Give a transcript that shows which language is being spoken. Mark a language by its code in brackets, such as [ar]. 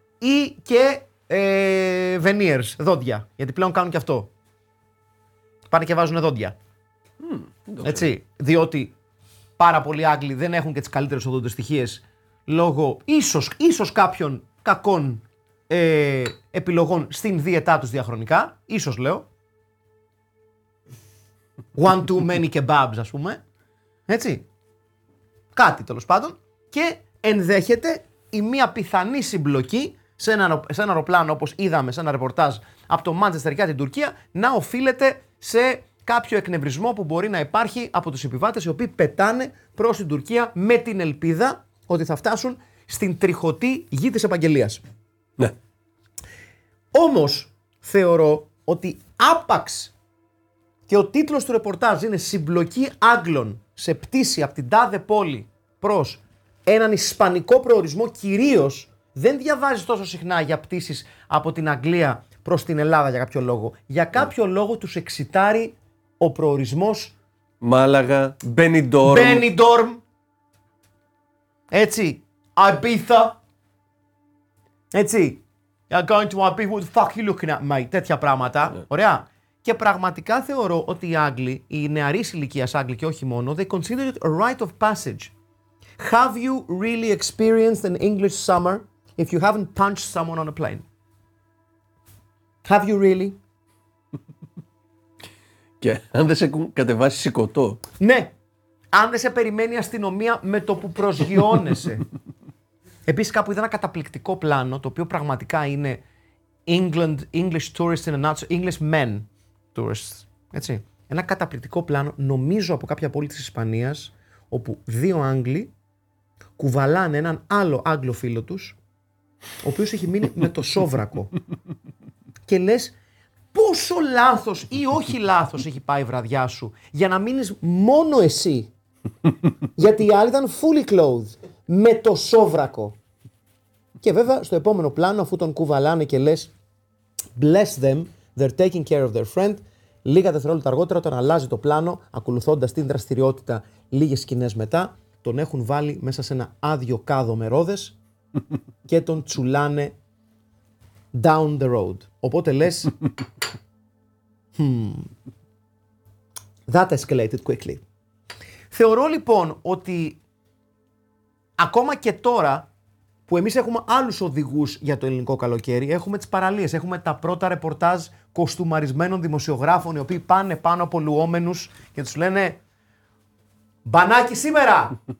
[el] Ή και veneers, δόντια. Γιατί πλέον κάνουν και αυτό. Πάνε και βάζουν δόντια. Έτσι. Διότι πάρα πολλοί Άγγλοι δεν έχουν και τις καλύτερες οδοντοστοιχίες λόγω ίσως κάποιων κακών επιλογών στην δίαιτά τους διαχρονικά. Ίσως λέω. [en] One too many kebabs, [el] ας πούμε. Έτσι. Κάτι τέλος πάντων. Και ενδέχεται η μία πιθανή συμπλοκή σε ένα αεροπλάνο, όπως είδαμε σε ένα ρεπορτάζ από το Μάντσεστερ για την Τουρκία, να οφείλεται σε κάποιο εκνευρισμό που μπορεί να υπάρχει από τους επιβάτες οι οποίοι πετάνε προς την Τουρκία με την ελπίδα ότι θα φτάσουν στην τριχωτή γη της επαγγελίας. Ναι. Όμως θεωρώ ότι άπαξ και ο τίτλος του ρεπορτάζ είναι «Συμπλοκή Άγγλων σε πτήση από την τάδε πόλη προς έναν ισπανικό προορισμό», κυρίως δεν διαβάζεις τόσο συχνά για πτήσεις από την Αγγλία προς την Ελλάδα για κάποιο λόγο. Για κάποιο λόγο τους εξητάρει ο προορισμός Μάλαγα, Benidorm. Έτσι. Ibiza. Έτσι. [en] I'm going to Ibiza, what the fuck you looking at, mate. [el] Τέτοια πράγματα. [en] Yeah. [el] Ωραία. Και πραγματικά θεωρώ ότι οι Άγγλοι, οι νεαροί ηλικίας Άγγλοι και όχι μόνο, [en] they consider it a rite of passage. Have you really experienced an English summer if you haven't punched someone on a plane? Have you really? [el] Και αν δεν σε έχουν κατεβάσει σηκωτό. Ναι. Αν δεν σε περιμένει η αστυνομία με το που προσγειώνεσαι. Επίσης κάπου είδα ένα καταπληκτικό πλάνο, το οποίο πραγματικά είναι [en] England, English tourists in a nutshell, English men tourists. [el] Έτσι. Ένα καταπληκτικό πλάνο, νομίζω από κάποια πόλη της Ισπανίας, όπου δύο Άγγλοι κουβαλάνε έναν άλλο Άγγλο φίλο τους, ο οποίος έχει μείνει με το σόβρακο. Και λες, πόσο λάθος ή όχι λάθος έχει πάει η βραδιά σου για να μείνεις μόνο εσύ. Γιατί οι άλλοι ήταν [en] fully clothed, [el] με το σόβρακο. Και βέβαια, στο επόμενο πλάνο, αφού τον κουβαλάνε και λες, [en] bless them, they're taking care of their friend, [el] λίγα δευτερόλεπτα αργότερα, όταν αλλάζει το πλάνο, ακολουθώντας την δραστηριότητα λίγες σκηνές μετά, τον έχουν βάλει μέσα σε ένα άδειο κάδο με ρόδες και τον τσουλάνε [en] down the road. [el] Οπότε λες, [en] that escalated quickly. [el] Θεωρώ λοιπόν ότι ακόμα και τώρα που εμείς έχουμε άλλους οδηγούς για το ελληνικό καλοκαίρι, έχουμε τις παραλίες, έχουμε τα πρώτα ρεπορτάζ κοστούμαρισμένων δημοσιογράφων οι οποίοι πάνε πάνω από λουόμενους και τους λένε «Μπανάκι σήμερα!»